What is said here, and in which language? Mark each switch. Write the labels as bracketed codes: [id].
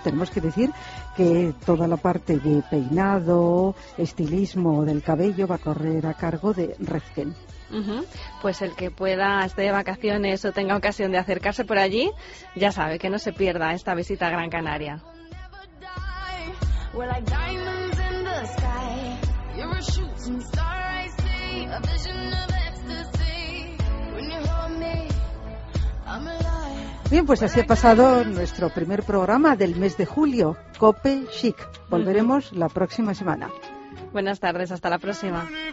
[es] Tenemos que decir que toda la parte de peinado, estilismo del cabello va a correr a cargo de Redken. Pues el que pueda, esté de vacaciones o tenga ocasión de acercarse por allí, ya sabe que no se pierda esta visita a Gran Canaria. [en] You're a shooting star I see, a vision of ecstasy, when you hold me, I'm alive. [es] Bien, pues así ha pasado nuestro primer programa del mes de julio, Cope Chic. Volveremos la próxima semana. Buenas tardes, hasta la próxima.